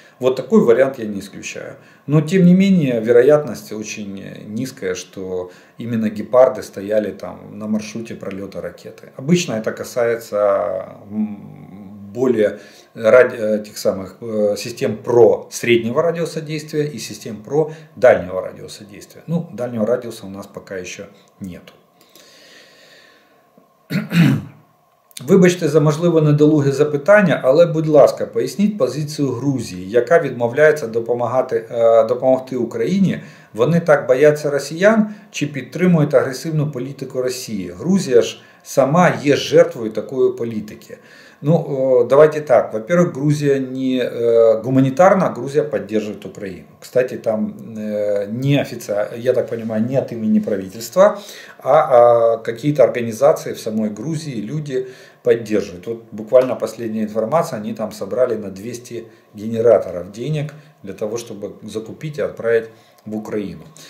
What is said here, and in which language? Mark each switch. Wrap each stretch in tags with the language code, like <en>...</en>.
<ru>Вот такой вариант я не исключаю. Но, тем не менее, вероятность очень низкая, что именно гепарды стояли там на маршруте пролета ракеты. Обычно это касается более этих самых систем ПРО среднего радиуса действия и систем ПРО дальнего радиуса действия. Ну, дальнего радиуса у нас пока еще нет.</ru> <uk>Вибачте за можливе недолуге запитання, але, будь ласка, поясніть позицію Грузії, яка відмовляється допомогти Україні. Вони так бояться росіян чи підтримують агресивну політику Росії? Грузія ж сама є жертвою такої політики.</uk> <ru>Ну, давайте так. Во-первых, Грузия не гуманитарна, а Грузия поддерживает Украину. Кстати, там не официально, я так понимаю, не от имени правительства, а какие-то организации в самой Грузии, люди поддерживают. Вот буквально последняя информация, они там собрали на 200 генераторов денег для того, чтобы закупить и отправить в Украину.</ru>